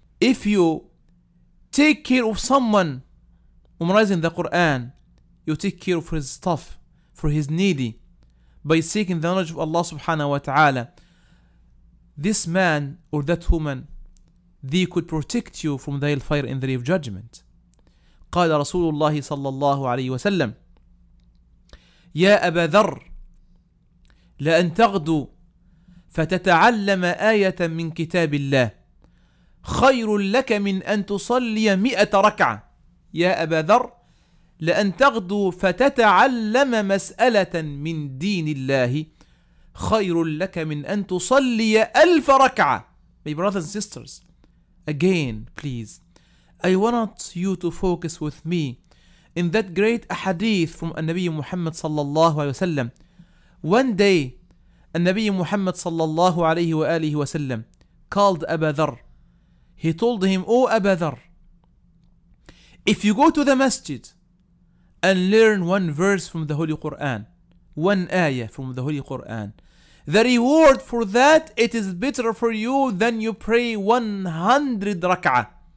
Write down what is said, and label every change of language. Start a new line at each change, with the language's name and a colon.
English: If you take care of someone memorizing the Quran, you take care of his stuff, for his needy, by seeking the knowledge of Allah subhanahu wa ta'ala, this man or that woman, they could protect you from the hellfire in the day of judgment.
Arabic: قال رسول الله صلى الله عليه وسلم يا أبا ذر لأن تغدو فتتعلم آية من كتاب الله خير لك من أن تصلي 100 ركعة. يا أبا ذر لأن تغدو فتتعلم مسألة من دين الله خير لك من أن تصلي 1000 ركعة.
English: My brothers and sisters, Again, please, I want you to focus with me in that great ahadith from Nabi Muhammad sallallahu alayhi wa sallam. One day, Nabi Muhammad sallallahu alayhi wa alihi wa sallam called Aba Dhar. He told him, "Oh Aba Dhar, if you go to the masjid and learn one verse from the Holy Qur'an, one ayah from the Holy Qur'an, the reward for that, it is better for you than you pray 100 rak'ah.